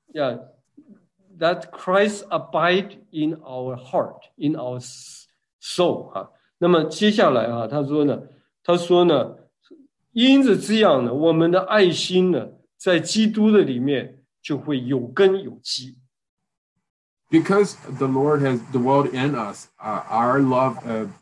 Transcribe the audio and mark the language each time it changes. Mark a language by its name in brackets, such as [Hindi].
[English] Yeah, that Christ abide in our heart, in our soul. [Chinese] 那么接下来他说呢。他说呢，因着这样呢，我们的爱心呢，在基督的里面就会有根有基。 [English] Because the Lord has dwelled in us, our love